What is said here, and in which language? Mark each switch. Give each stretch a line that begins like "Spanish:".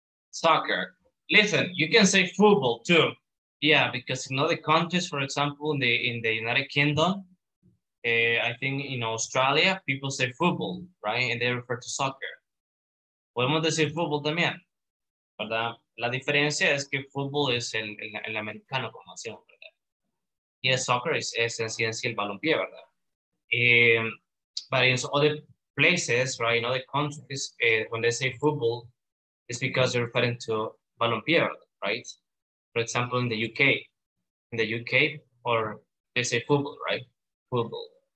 English: Soccer. Listen, you can say football too. Yeah, because in other countries, for example, in the United Kingdom, I think in Australia, people say football, right? And they refer to soccer.
Spanish: Podemos decir fútbol también, ¿verdad? La diferencia es que fútbol es el americano como hacemos.
English: Yes, soccer is
Spanish: en sí el balompié, ¿verdad?
English: But in other places, right, in other countries, when they say football, it's because they're referring to balompié, right? For example, in the UK. In the UK, or they say football, right? Football.